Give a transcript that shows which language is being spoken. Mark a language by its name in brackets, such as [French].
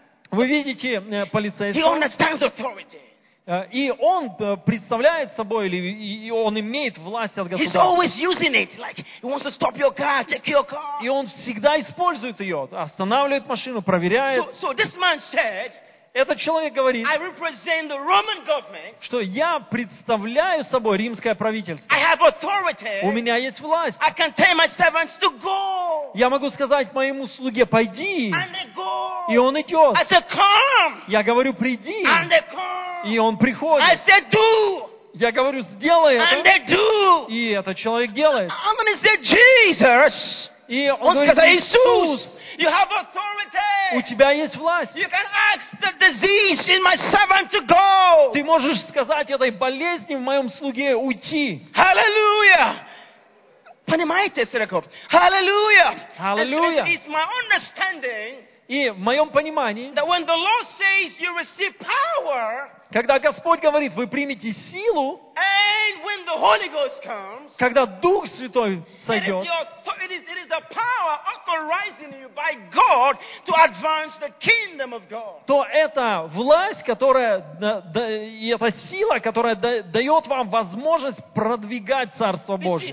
[Russian] Вы видите полицейского. И он представляет собой, или и он имеет власть от государства. [English] He's always using it, like he wants to stop your car, take your car. [Russian] И он всегда использует ее, останавливает машину, проверяет. [English] So this man said, [Russian] этот человек говорит, [English] I represent the Roman government, [Russian] что я представляю собой римское правительство. [English] I have authority. [Russian] У меня есть власть. [English] I can tell my servants to go. [Russian] Я могу сказать моему слуге, пойди. [English] And they go. [Russian] И он идет. [English] I say, come. [Russian] Я говорю, приди. [English] And they come. [Russian] И он приходит. [English] I said, do. [Russian] Я говорю, сделай это. [English] And they do. [Russian] И этот человек делает. [English] I'm gonna say, Jesus. [Russian] И он говорит, Иисус, [English] you have authority. [Russian] У тебя есть власть. [English] You can ask the disease in my servant to go. [Russian] Ты можешь сказать этой болезни в моем слуге уйти. Hallelujah. Понимаете, церковь? [English] Hallelujah. Hallelujah. It's my understanding. [Russian] И в моем понимании, [English] that when the Lord says you receive power, [Russian] когда Господь говорит, вы примете силу, [English] and when the Holy Ghost comes, [Russian] когда Дух Святой сойдет, [English] it is the power authorizing you by God to advance the kingdom of God. [Russian] То это власть, которая, и это сила, которая дает вам возможность продвигать Царство Божие.